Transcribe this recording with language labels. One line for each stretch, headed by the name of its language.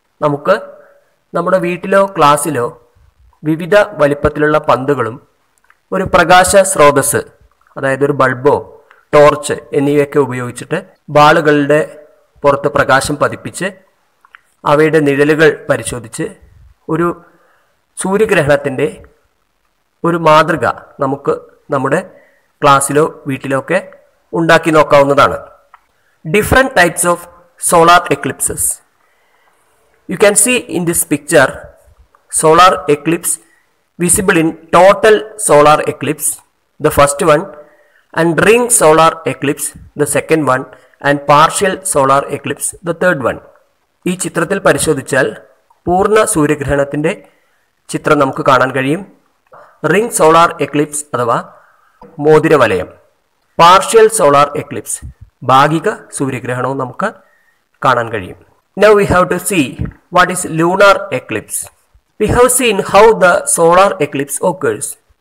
Malayalam: നമുക്ക് നമ്മുടെ വീട്ടിലോ ക്ലാസ്സിലോ വിവിധ വലിപ്പത്തിലുള്ള പന്തുകളും ഒരു പ്രകാശ സ്രോതസ്, അതായത് ഒരു ബൾബോ ടോർച്ച് എന്നിവയൊക്കെ ഉപയോഗിച്ചിട്ട് ബാളുകളുടെ പുറത്ത് പ്രകാശം പതിപ്പിച്ച് അവയുടെ നിഴലുകൾ പരിശോധിച്ച് ഒരു സൂര്യഗ്രഹണത്തിൻ്റെ ഒരു മാതൃക നമുക്ക് നമ്മുടെ ക്ലാസ്സിലോ വീട്ടിലോ ഒക്കെ ഉണ്ടാക്കി നോക്കാവുന്നതാണ്.
English: Different types of solar eclipses. You can see in this picture, solar eclipse visible in total solar eclipse, the first one, and ring solar eclipse, the second one, and partial solar eclipse, the third one.
Malayalam: ഈ ചിത്രത്തിൽ പരിശോധിച്ചാൽ പൂർണ്ണ സൂര്യഗ്രഹണത്തിൻ്റെ ചിത്രം നമുക്ക് കാണാൻ കഴിയും. Ring solar Eclipse അഥവാ മോതിരവലയം, partial solar Eclipse ഭാഗിക സൂര്യഗ്രഹണവും നമുക്ക് കാണാൻ കഴിയും.
English: Now we have to see what is lunar eclipse. We have seen how the solar eclipse occurs.